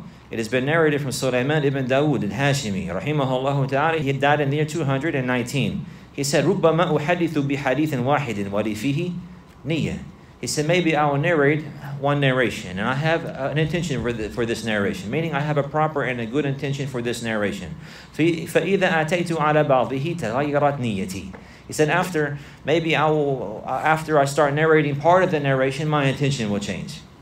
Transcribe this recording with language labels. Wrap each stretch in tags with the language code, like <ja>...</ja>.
<en>It has been narrated from Sulaiman ibn Dawood al-Hashimi, rahimahullah ta'ala. He died in the year 219. He said,</en> <ar>رُبَّمَا أُحَدِّثُ بِحَدِيثٍ وَاحِدٍ وَلِي فِيهِ نِيَّةٍ.</ar> <en>He said, maybe I will narrate one narration, and I have an intention for this narration, meaning I have a proper and a good intention for this narration.</en> <ar>فَإِذَا أَتَيْتُ عَلَى بَعْضِهِ تَغَيَّرَتْ نِيَّتِي.</ar> <en>He said, after I start narrating part of the narration, my intention will change.</en>